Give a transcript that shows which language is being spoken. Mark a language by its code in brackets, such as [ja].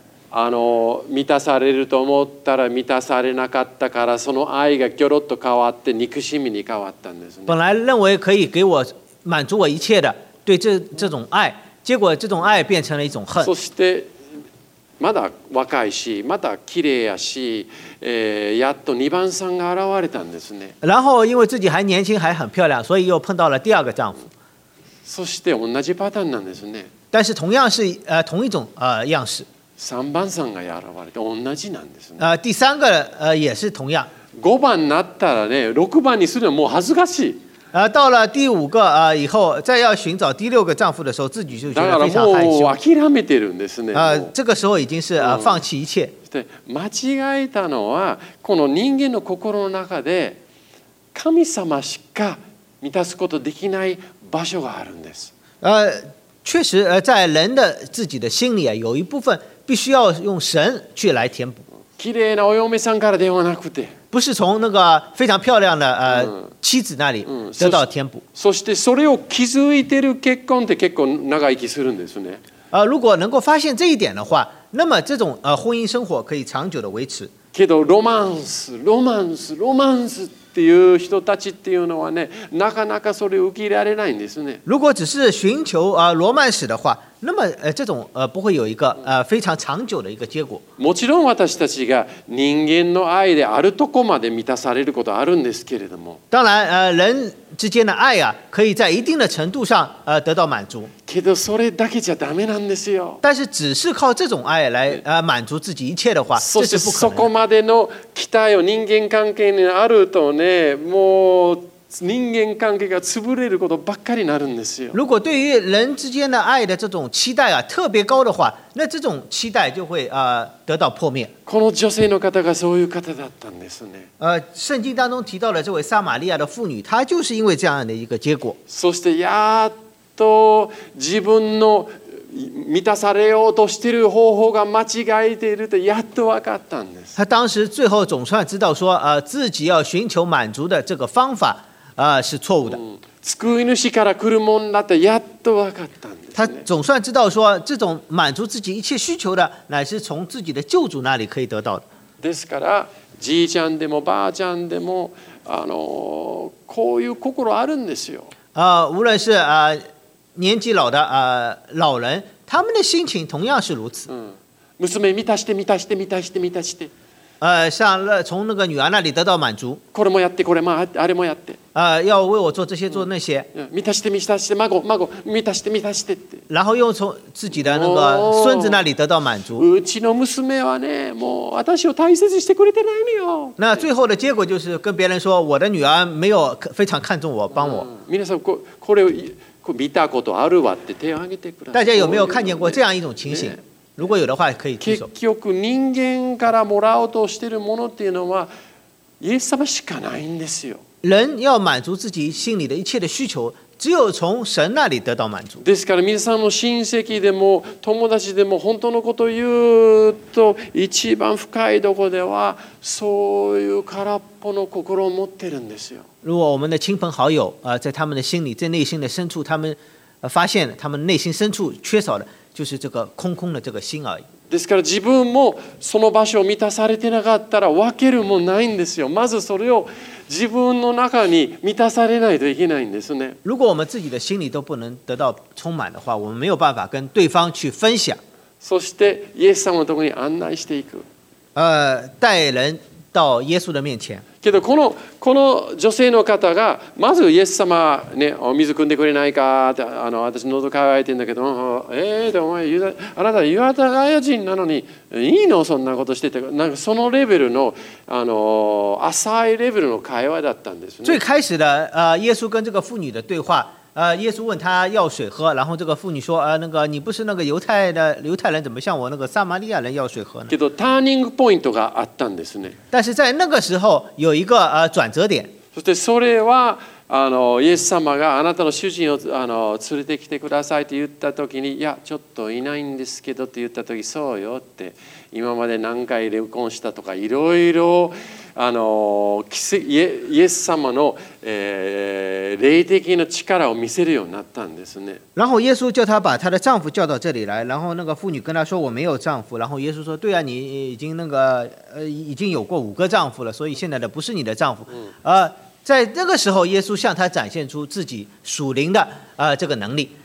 [ja] 満たされると思ったら満たされなかったからその愛がギョロッと変わって憎しみに変わったんですね [zh] 本来认为可以给我满足我一切的对 这种爱结果这种爱变成了一种恨 [ja] そしてまだ若いしまだ綺麗やし、やっと二番さんが現れたんですね [zh] 然后因为自己还年轻还很漂亮所以又碰到了第二个丈夫 [ja] そして同じパターンなんですね [zh] 但是同样是、同一种、样式 [ja] 3番さんが現れて同じなんですね [zh] 第三个也是同样 [ja] 5番になったらね6番にするのはもう恥ずかしい [zh] 到了第五个以后再要寻找第六个丈夫的时候自己就觉得非常害羞 [ja] だからもう諦めてるんですね [zh] 这个时候已经是放弃一切 [ja] で間違えたのはこの人間の心の中で神様しか満たすことできない場所があるんです [zh] 确实在人的自己的心里有一部分必须要用神去来填补。 [ja] 綺麗なお嫁さんからではなくて、 [zh] 不是从那个非常漂亮的妻子那里得到填补。 [ja] そしてそれを気づいてる結婚って結構長生きするんですね。 [zh] 如果能够发现这一点的话，那么这种婚姻生活可以长久的维持。 [ja] けどロマンス、ロマンス、ロマンスっていう人たちっていうのはね、なかなかそれ受け入れられないんですね。 [zh] 如果只是寻求ロマンス的话。那么这种不会有一个非常长久的一个结果。 [ja] もちろん私たちが人間の愛であるとこまで満たされることあるんですけれども。 [zh] 当然人之间的爱啊可以在一定的程度上得到满足。 [ja] けどそれだけじゃダメなんですよ。 [zh] 但是只是靠这种爱来满足自己一切的话这是不可能。 [ja] そこまでの期待を人間関係にあるとね、もう人間関係が潰れることばっかりになるんですよ。 [zh] 如果对于人之间的爱的这种期待啊特别高的话，那这种期待就会得到破灭。 [ja] この女性の方がそういう方だったんですね。 [zh] 圣经当中提到了这位撒玛利亚的妇女，她就是因为这样的一个结果。 [ja] そしてやっと自分の満たされようとしている方法が間違えているとやっと分かったんです。 [zh] 他当时最后总算知道说，自己要寻求满足的这个方法。是错误的。 [ja] 救い主から来るもんだってやっと分かったんです。 [zh] 他总算知道说，这种满足自己一切需求的，乃是从自己的救主那里可以得到的。 [ja] ですから、じいちゃんでもばあちゃんでも、こういう心あるんですよ。 [zh] 无论是年纪老的老人，他们的心情同样是如此。 [ja] 娘満たして満たして満たして満たして。 [zh] 像从那个女儿那里得到满足。 [ja] これもやってこれもあれもやって。 [zh] 要为我做这些做那些。 [ja] 満たして満たして孫孫満たして満たしてって。 [zh] 然后又从自己的那个孙子那里得到满足。 [ja] うちの娘はね、もう私を大切にしてくれてないのよ。 [zh] 那最后的结果就是跟别人说，我的女儿没有非常看重我，帮我。 [ja] 皆さんこれを見たことあるわって手を挙げてください。 [zh] 大家有没有看见过这样一种情形？如果有的话，可以举手。 [ja] 結局人間からもらおうとしているものっていうのは、イエス様しかないんですよ。 [zh] 人要满足自己心里的一切的需求，只有从神那里得到满足。 [ja] ですから皆さんの親戚でも友達でも本当のことを言うと、一番深いところではそういう空っぽの心を持ってるんですよ。 [zh] 如果我们的亲朋好友，在他们的心里，在内心的深处，他们发现他们内心深处缺少的。就是这个空空的这个心而已。 [ja] ですから自分もその場所を満たされてなかったら分けるもないんですよ。まずそれを自分の中に満たされないといけないんですね。 [zh] 如果我们自己的心里都不能得到充满的话，我们没有办法跟对方去分享。 [ja] そしてイエス様のところに案内していく。 [zh] 带人到耶稣的面前。 [ja] けどこの女性の方がまずイエス様ねお水汲んでくれないかってあの私喉乾いてんだけどでお前ユダあなたユダヤ人なのにいいのそんなことしててなんかそのレベルのあの浅いレベルの会話だったんですね。 [zh] 最开始的耶稣跟这个妇女的对话。耶稣问他要水喝，然后这个妇女说：“那个你不是那个犹太人，怎么向我那个撒玛利亚人要水喝呢？” [ja] けどターニングポイントがあったんですね。 [zh] 但是在那个时候有一个转折点。 [ja] そしてそれはあのイエス様があなたの主人をあの連れてきてくださいと言った時に、いやちょっといないんですけどと言った時、そうよって今まで何回離婚したとかいろいろ。あのイエス様の、霊的な力を見せるようになったんですね。 [zh] 然后耶稣叫他把他的丈夫叫到这里来，然后那个妇女跟他说我没有丈夫，然后耶稣说对啊，你已经有过五个丈夫了，所以现在的不是你的丈夫。在那个时候，耶稣向他展现出自己属灵的这个能力。